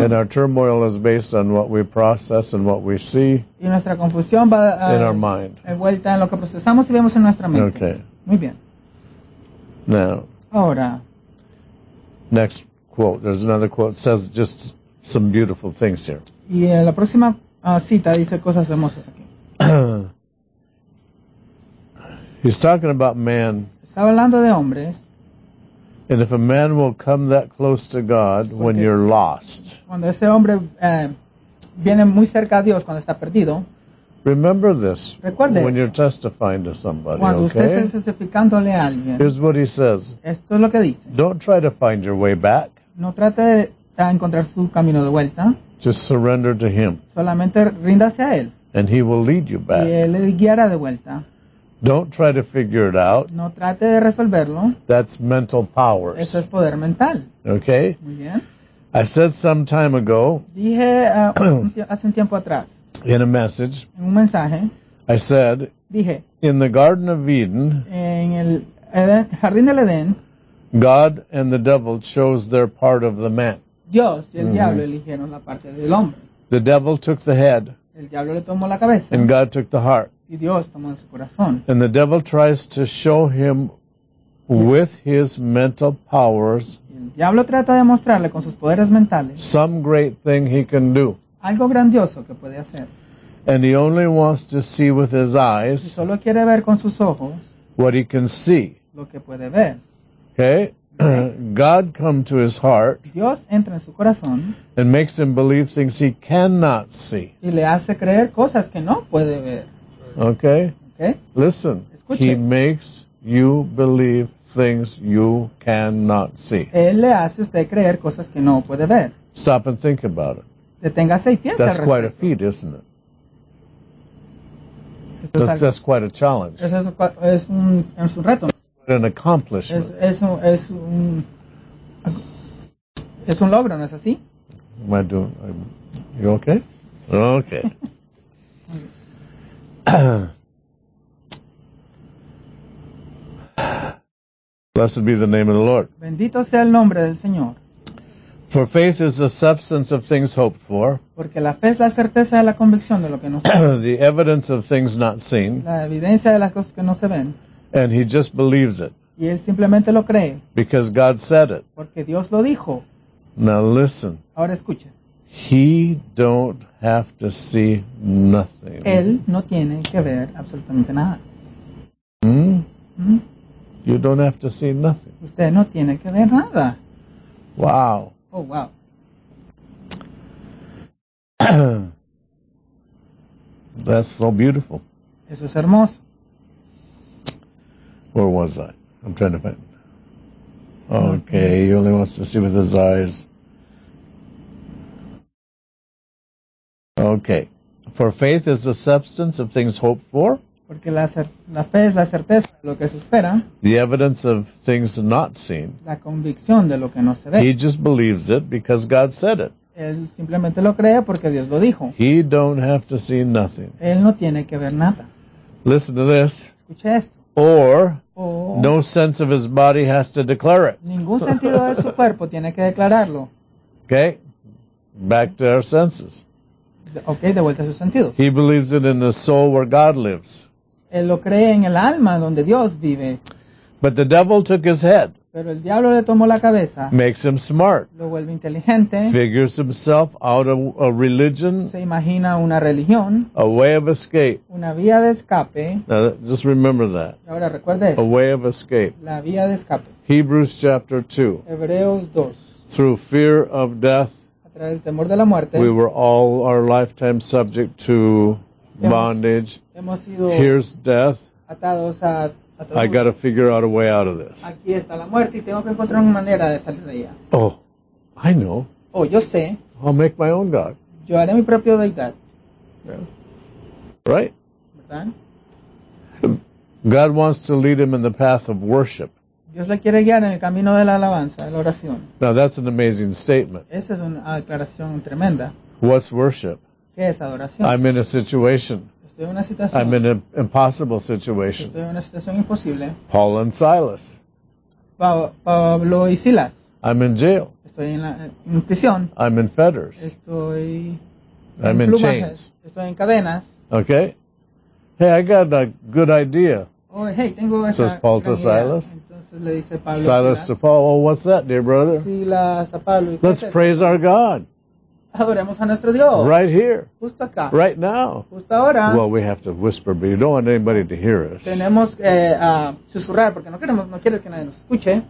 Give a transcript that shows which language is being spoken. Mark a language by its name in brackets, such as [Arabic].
[English] And our turmoil is based on what we process and what we see. [Spanish] Y nuestra confusión va [English] in our mind. [Spanish] De vuelta en lo que procesamos y vemos en nuestra mente. [English] Okay. [Spanish] Muy bien. [English] Now. [Spanish] Ahora. [English] Next quote. There's another quote. It says just some beautiful things here. [Spanish] Y la próxima cita dice cosas hermosas aquí. [English] He's talking about man. [Spanish] Estaba hablando de hombres. [English] And if a man will come that close to God when you're lost. [Spanish] Cuando ese hombre viene muy cerca a Dios cuando está perdido. [English] Remember this. [Spanish] Recuerde [English] when you're testifying to somebody, [Spanish] cuando [English] okay? [Spanish] Cuando usted está testificándole a alguien. [English] Here's what he says. [Spanish] Esto es lo que dice. [English] Don't try to find your way back. [Spanish] No trate de encontrar su camino de vuelta. [English] Just surrender to him. [Spanish] Solamente ríndase a él. [English] And he will lead you back. [Spanish] Y él le guiará de vuelta. [English] Don't try to figure it out. [Spanish] No trate de resolverlo. [English] That's mental powers. [Spanish] Eso es poder mental. [English] Okay. [Spanish] Muy bien. [English] I said some time ago. [Spanish] Dije hace un tiempo atrás. [English] In a message. [Spanish] En un mensaje. [English] I said. [Spanish] Dije. [English] In the Garden of Eden. [Spanish] En el Jardín del Edén. [English] God and the devil chose their part of the man. [Spanish] Dios y el diablo eligieron la parte del hombre. [English] The devil took the head. [Spanish] El diablo le tomó la cabeza. [English] And God took the heart. [Spanish] Y Dios tomó su corazón. [English] And the devil tries to show him with his mental powers. [Spanish] El diablo trata de mostrarle con sus poderes mentales. [English] Some great thing he can do. [Spanish] Algo grandioso que puede hacer. [English] And he only wants to see with his eyes. [Spanish] Y solo quiere ver con sus ojos. [English] What he can see. [Spanish] Lo que puede ver. [English] Okay. God come to his heart. [Spanish] Dios entra en su corazón. [English] And makes him believe things he cannot see. [Spanish] Y le hace creer cosas que no puede ver. [English] Okay. Okay. Listen. [Spanish] Escuche. [English] He makes you believe things you cannot see. [Spanish] Él le hace usted creer cosas que no puede ver. [English] Stop and think about it. [Spanish] Deténgase y piense. [English] That's quite a feat, isn't it? That's quite a challenge. [Spanish] Es un reto. [English] An accomplishment. [Spanish] Es un logro, ¿no es así? [English] Am I doing? You okay? Okay. Blessed be the name of the Lord. [Spanish] Bendito sea el nombre del Señor. [English] For faith is the substance of things hoped for. [Spanish] Porque la fe es la certeza de la convicción de lo que no se ve. [English] The evidence of things not seen. [Spanish] La evidencia de las cosas que no se ven. [English] And he just believes it. [Spanish] Y él simplemente lo cree. [English] Because God said it. [Spanish] Porque Dios lo dijo. [English] Now listen. [Spanish] Ahora escucha. [English] He don't have to see nothing. [Spanish] Él no tiene que ver absolutamente nada. [English] You don't have to see nothing. [Spanish] Usted no tiene que ver nada. [English] Wow. Oh, wow. That's so beautiful. [Spanish] Eso es hermoso. [English] Where was I? I'm trying to find. Okay, he only wants to see with his eyes. Okay. For faith is the substance of things hoped for. [Spanish] Porque la fe es la certeza de lo que se espera. [English] The evidence of things not seen. [Spanish] La convicción de lo que no se ve. [English] He just believes it because God said it. [Spanish] Él simplemente lo cree porque Dios lo dijo. [English] He don't have to see nothing. [Spanish] Él no tiene que ver nada. [English] Listen to this. [Spanish] Escuche esto. [English] Or no sense of his body has to declare it. [Spanish] Ningún sentido de su cuerpo tiene que declararlo. [English] Okay. Back to our senses. [Spanish] Okay, de vuelta a su sentido. [English] He believes it in the soul where God lives. [Spanish] Él lo cree en el alma donde Dios vive. [English] But the devil took his head. [Spanish] Pero el diablo le tomó la cabeza. [English] Makes him smart. [Spanish] Lo vuelve inteligente. [English] Figures himself out of a religion. [Spanish] Se imagina una religión. [English] A way of escape. [Spanish] Una vía de escape. [English] Now, just remember that. [Spanish] Ahora recuerde eso. [English] A way of escape. [Spanish] La vía de escape. [English] Hebrews chapter 2. [Spanish] Hebreos 2. [English] Through fear of death. [Spanish] El temor de la muerte, [English] we were all our lifetime subject to bondage. [Spanish] Hemos sido [English] here's death. [Spanish] Atados [English] I got to figure out a way out of this. [Spanish] Aquí está la muerte y tengo que encontrar una manera de salir de ella. [English] Oh, I know. [Spanish] Oh, yo sé. [English] I'll make my own God. [Spanish] Yo haré mi propio deidad. [English] Yeah. Right? [Spanish] ¿Verdad? [English] God wants to lead him in the path of worship. [Spanish] Dios le quiere guiar en el camino de la alabanza, de la oración. [English] Now that's an amazing statement. [Spanish] Esa es una declaración tremenda. [English] What's worship? [Spanish] ¿Qué es adoración? [English] I'm in a situation. [Spanish] Estoy en una situación. [English] I'm in an impossible situation. [Spanish] Estoy en una situación imposible. [English] Paul and Silas. [Spanish] Pablo y Silas. [English] I'm in jail. [Spanish] Estoy en prisión. [English] I'm in fetters. [Spanish] Estoy en [English] I'm in chains. [Spanish] Estoy en cadenas. [English] Okay. Hey, I got a good idea. Oh, hey, [Spanish] tengo esa [English] says Paul to idea. Silas. [Spanish] Le dice Pablo, [English] Silas to Paul, oh, what's that, dear brother? [Spanish] Silas a Pablo, [English] let's praise our God. [Spanish] Adoremos a nuestro Dios. [English] Right here. [Spanish] Justo acá. [English] Right now. [Spanish] Justo ahora. [English] Well, we have to whisper, but you don't want anybody to hear us. [Spanish] Tenemos que susurrar porque no queremos, no quieres que nadie nos escuche.